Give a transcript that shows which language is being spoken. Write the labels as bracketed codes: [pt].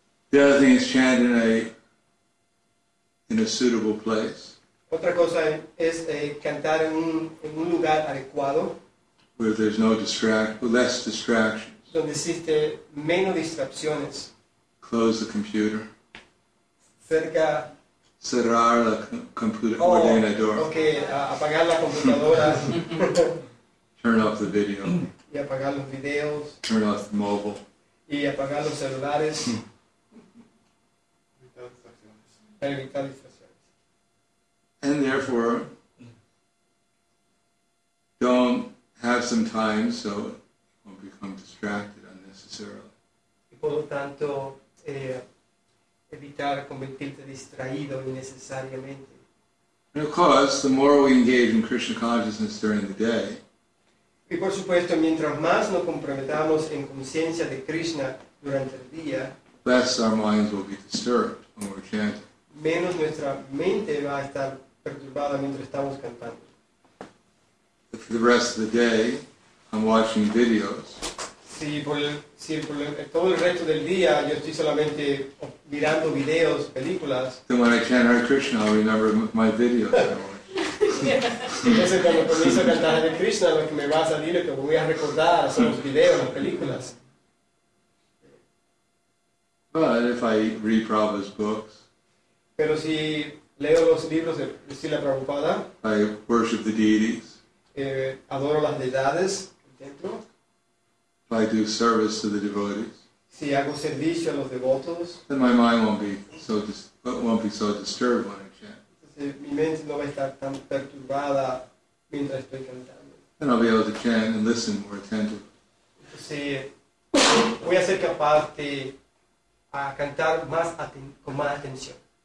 [en] The other thing is chant in a suitable place. [es] Otra cosa es cantar en un lugar adecuado. [en] Where there's no less distractions. [es] Donde existe menos distracciones. [en] Close the computer. [es] Cerca. Cerrar la computadora. Oh, ordenador. Okay, apagar la computadora. [en] Turn off the video. [es] Y apagar los videos. [en] Turn off the mobile. [es] Y apagar los celulares. [en] And therefore, don't have some time so you won't become distracted unnecessarily. [es] Y por lo tanto, evitar convertirte distraído innecesariamente. [en] And of course, the more we engage in Krishna consciousness during the day, [es] y por supuesto, mientras más nos comprometamos en conciencia de Krishna durante el día, [en] less our minds will be disturbed when we're chanting. [es] Menos nuestra mente va a estar perturbada mientras estamos cantando. [en] If the rest of the day, I'm watching videos. [es] Si por todo el resto del día yo estoy solamente mirando videos, películas. [en] Then when I chant Hare Krishna, I remember my videos. [es] Entonces cuando comienzo a cantar Hare Krishna, lo que me va a salir, lo que voy a recordar son los videos, las películas. [en] But if I read Prabhupada's books, [es] pero si leo los libros de Srila Prabhupada, [en] I worship the deities. [es] Adoro las deidades dentro. [en] If I do service to the devotees, [es] si hago servicio a los devotos, [en] then my mind won't be so disturbed when I chant. [es] Mi mente no va a estar tan perturbada mientras estoy cantando. [en] And I'll be able to chant and listen more attentively. [es] Si voy a ser capaz de a cantar más con más atención.